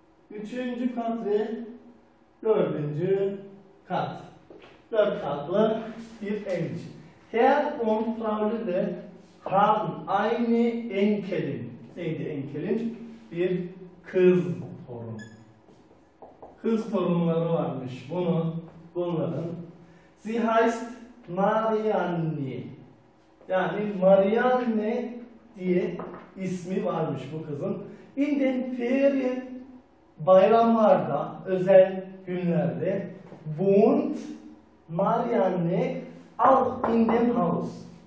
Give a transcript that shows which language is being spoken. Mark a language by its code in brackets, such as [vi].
[tr] Üçüncü kat ve dördüncü kat. Dört katlı bir ev için. [de] Herr und Frau Lübbe haben eine Enkelin. [tr] Neydi Enkelin? Bir kız torun. Kız torunları varmış bunların. [de] Sie heißt Marianne. [tr] Yani Marianne diye ismi varmış bu kızın. [de] In den Ferien [tr] bayramlarda, özel günlerde [de] wohnt Marianne auch in dem Haus.